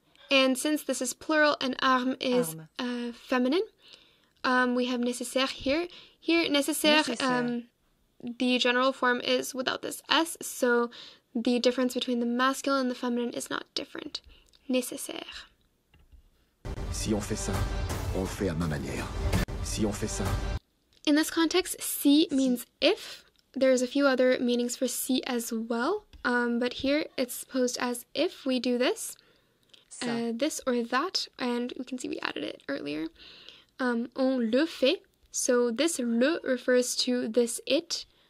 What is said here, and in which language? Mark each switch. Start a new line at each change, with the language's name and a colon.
English: And since this is plural and arme is feminine, we have nécessaire here. Here, nécessaire, the general form is without this S, so the difference between the masculine and the feminine is not different.
French: Nécessaire. Si on fait ça, on le fait à ma manière. Si on fait ça.
English: In this context, si means if. There's a few other meanings for si as well, but here it's posed as if we do this. This or that, and we can see we added it earlier.
French: On le fait.
English: So this le refers to this it.